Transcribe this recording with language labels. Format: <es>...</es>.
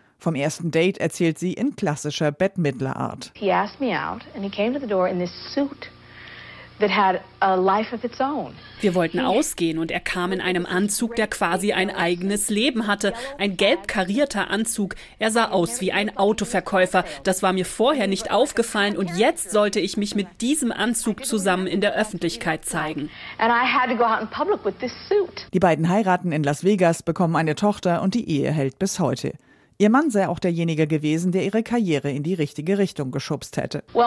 <de>Vom ersten Date erzählt sie in klassischer Bette Midler Art.</de> <en>He asked me out and he came to the door in this suit that had a life of its own.</en> <de>Wir wollten ausgehen und er kam in einem Anzug, der quasi ein eigenes Leben hatte, ein gelb karierter Anzug. Er sah aus wie ein Autoverkäufer. Das war mir vorher nicht aufgefallen und jetzt sollte ich mich mit diesem Anzug zusammen in der Öffentlichkeit zeigen.</de> <en>And I had to go out in public with this suit.</en> <de>Die beiden heiraten in Las Vegas, bekommen eine Tochter und die Ehe hält bis heute. Ihr Mann sei auch derjenige gewesen, der ihre Karriere in die richtige Richtung geschubst hätte.</de>